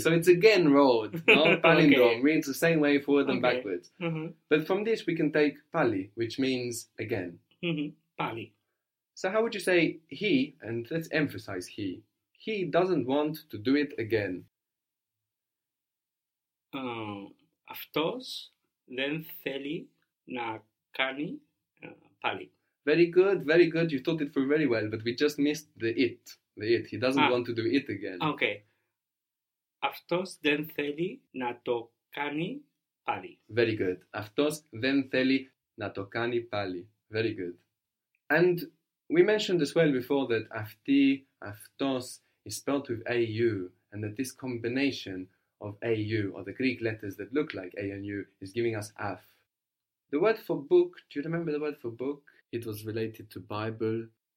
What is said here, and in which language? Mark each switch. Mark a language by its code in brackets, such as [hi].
[en] So it's again road, no? Palindrome Okay. means the same way forward and Okay. backwards. But from this we can take pali, which means again. [el] Pali. [en] So how would you say he, and let's emphasize he doesn't want to do it again. [el] Αυτός δεν θέλει να κάνει. Πάλι. [en] Very good, very good. You thought it through very well, but we just missed the it. The it. He doesn't want to do it again. Okay. [el] Αυτός δεν θέλει να το κάνει πάλι. [en] Very good. [el] Αυτός δεν θέλει να το κάνει πάλι. [en] Very good. And we mentioned as well before that αυτή, αυτός is spelled with AU, and that this combination of AU, or the Greek letters that look like A and U, is giving us αφ. The word for book, do you remember the word for book? It was related to Bible.